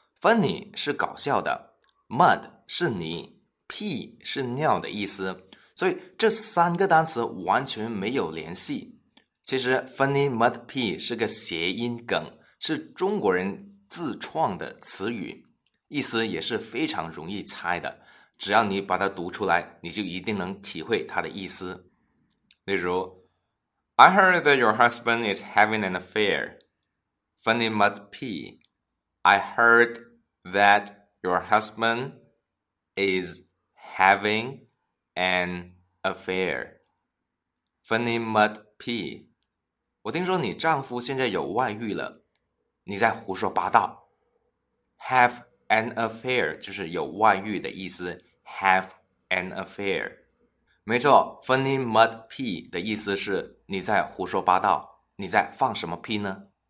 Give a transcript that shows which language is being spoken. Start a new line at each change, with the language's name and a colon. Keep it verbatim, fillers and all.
Chinese: Funny 是搞笑的 ，mud 是泥 ，pee 是尿的意思，所以这三个单词完全没有联系。其实 funny mud pee 是个谐音梗，是中国人自创的词语，意思也是非常容易猜的，只要你把它读出来，你就一定能体会它的意思。例如
English: ，I heard that your husband is having an affair. Funny mud pee. I heard that your husband is having an affair. Funny mud pee.
Chinese: 我听说你丈夫现在有外遇了，你在胡说八道。
English: Have an affair
Chinese: 就是有外遇的意思。
English: Have an affair.
Chinese: 没错 ，funny mud pee 的意思是你在胡说八道，你在放什么屁呢？